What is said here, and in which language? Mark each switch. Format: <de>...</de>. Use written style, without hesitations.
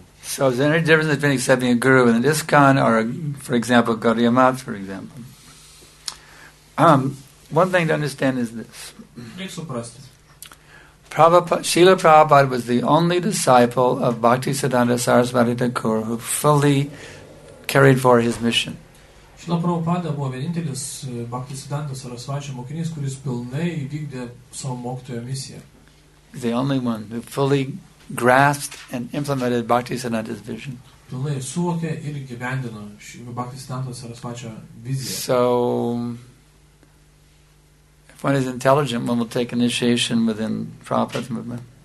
<en>So is there any difference between accepting a guru and an ISKCON or, for example, Gaudiya Math, for example? One thing to understand is this. Srila Prabhupada was the only disciple of Bhakti Siddhanta Sarasvati Thakur who fully carried for his mission.</en> <lt>Srila Prabhupada buvo vienintelis Bhakti Siddhanta Sarasvati mokinys, kuris pilnai įvykdė savo mokytojo misiją.</lt> <en>The only one who fully grasped and implemented Bhakti Siddhanta's vision.</en> <lt>Pilnai suvokė ir įgyvendino Bhakti Siddhanta Sarasvati viziją.</lt> <en>So, if one is intelligent, one will take initiation within Prabhupada's movement.</en>